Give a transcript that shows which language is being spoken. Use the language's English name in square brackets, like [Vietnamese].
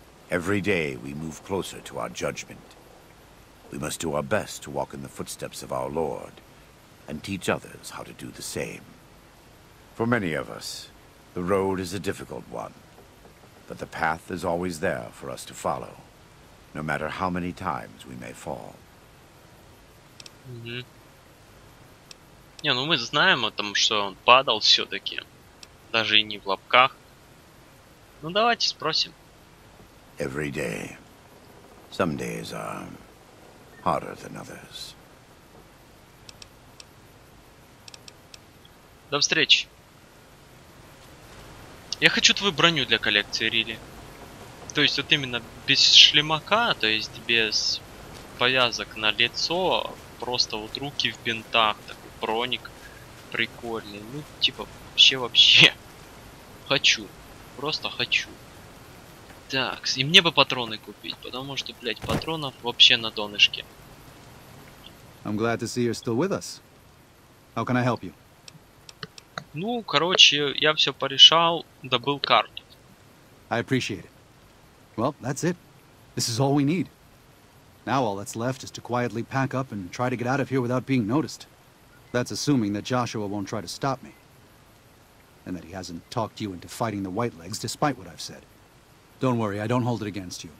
[English] Every day we move closer to our judgment. We must do our best to walk in the footsteps of our Lord and teach others how to do the same. For many of us, the road is a difficult one, but the path is always there for us to follow, no matter how many times we may fall. Mm-hmm. [Russian] Не, ну мы знаем о том, что он падал все-таки. Даже и не в лапках. Ну давайте спросим. [English] Every day. Some days are harder than others. [Russian] До встречи. Я хочу твою броню для коллекции, Рилли. То есть вот именно без шлемака, то есть без повязок на лицо, просто вот руки в бинтах, так. Броник прикольный. Ну, типа, вообще. Хочу. Просто хочу. Так, и мне бы патроны купить, потому что, блять, патронов вообще на донышке. [English] I'm glad to see you're still with us. How can I help you? [Russian] Ну, короче, я все порешал, добыл карту. [English] I appreciate it. Well, that's it. This is all we need. Now all that's left is to quietly pack up and try to get out of here without being noticed. That's assuming that Joshua won't try to stop me. And that he hasn't talked you into fighting the White Legs, despite what I've said. Don't worry, I don't hold it against you.